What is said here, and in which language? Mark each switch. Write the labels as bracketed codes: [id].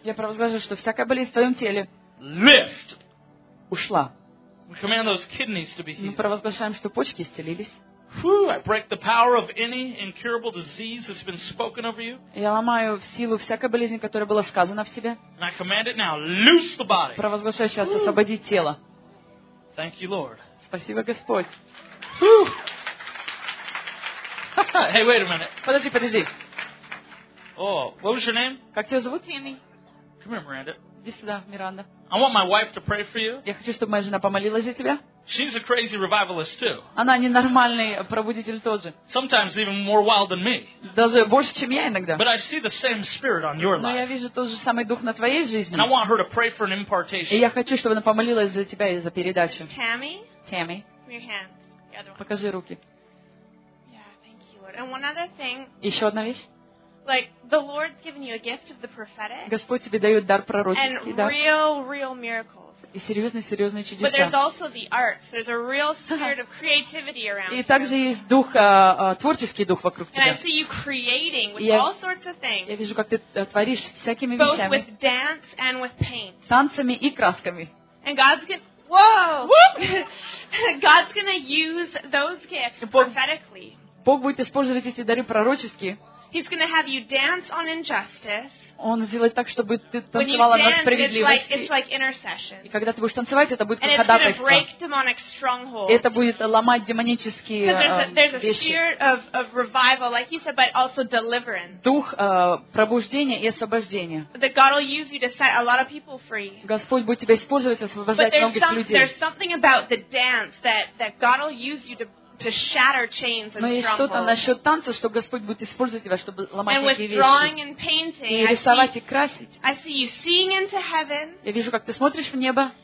[ru] Я провозглашаю, что всякая болезнь в твоем теле. [en] Lift. [ru] Ушла. [en] We command those kidneys to be healed. [ru] Мы провозглашаем, что почки исцелились. [en] Whew, I break the power of any incurable disease that's been spoken over you. [ru] Я ломаю силу всякой болезни, которая была сказана в тебе. [en] And I command it now. Loose the body. [ru] Провозглашаю сейчас освободить тело. [en] Thank you, Lord. [ru] Спасибо, Господь. [en] Whew. Hey, wait a minute. [ru] Подожди, подожди. [en] Oh, what was your name? [ru] Как тебя зовут, Тэмми? [en] Come here, Miranda. [ru] Иди сюда, Миранда. [en] I want my wife to pray for you. [ru] Я хочу, чтобы моя жена помолилась за тебя. [en] She's a crazy revivalist too. [ru] Она ненормальный пробудитель тоже. [en] Sometimes even more wild than me. [ru] Даже больше, чем я иногда. [en] But I see the same spirit on your life. [ru] Но я вижу тот же самый дух на твоей жизни. [en] And I want her to pray for an impartation. [ru] И я хочу, чтобы она помолилась за тебя и за передачу. [en] Tammy. Tammy. Your hand. The other one. [ru] Покажи руки. [en] And one other thing. [ru] Еще одна вещь. [en] Like the Lord's given you a gift of the prophetic. [ru] Господь тебе дает дар пророческий, да. [en] And real, real miracles. [ru] И серьезные чудеса. [en] But there's also the arts. There's a real spirit of creativity around. [ru] И также есть дух творческий дух вокруг тебя. [en] And I see you creating with all sorts of things. [ru] Я вижу, как ты творишь всякими вещами. [en] Both with dance and with paint. [ru] Танцами и красками. [en] And God's given. Whoa. God's gonna use those gifts prophetically. [ru] Бог будет использовать эти дары пророчески. [en] He's gonna have you dance on injustice. [ru] Он сделает так, чтобы ты танцевала на справедливости. [en] It's like intercession. [ru] И когда ты будешь танцевать, это будет как ходатайство. Это будет ломать демонические вещи. [en] Like said, but also deliverance. [ru] Дух пробуждения и освобождения. [en] That God will use you to set a lot of people free. [ru] Господь будет тебя использовать, освобождать многих людей. [en] There's something about the dance that God will use you to to shatter chains and strongholds. [ru] Но есть что-то насчет танца, что Господь будет использовать тебя, чтобы ломать эти вещи. [en] And with drawing and painting, [ru] и рисовать и красить. [en] I see you seeing into heaven. [ru] Я вижу, как ты смотришь в небо.